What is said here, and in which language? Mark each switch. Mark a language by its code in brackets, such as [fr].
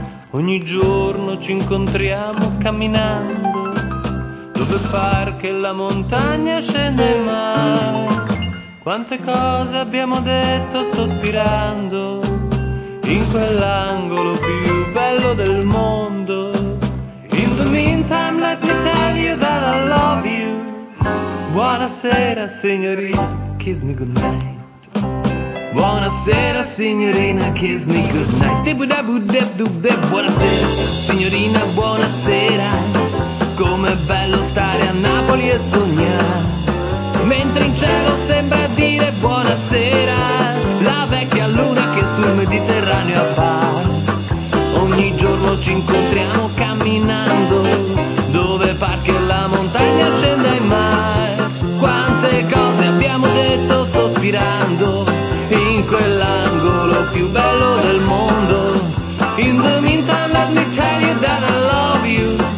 [it] Ogni giorno ci incontriamo camminando, dove par che la montagna scende il mare. Quante cose abbiamo detto sospirando, in quell'angolo più bello del mondo. [en] In the meantime let me tell you that I love you. [it] Buonasera signorina, [en] kiss me goodnight. [it] Buonasera signorina, [en] kiss me goodnight. [it] Buonasera signorina, buonasera. Com'è bello stare a Napoli e sognare, mentre in cielo sembra dire buonasera la vecchia luna che sul Mediterraneo appare. Ogni giorno ci incontriamo camminando, dove par che la montagna scenda in mare. Quante cose abbiamo detto sospirando, in quell'angolo più bello del mondo. [en] In the meantime let me tell you that I love you.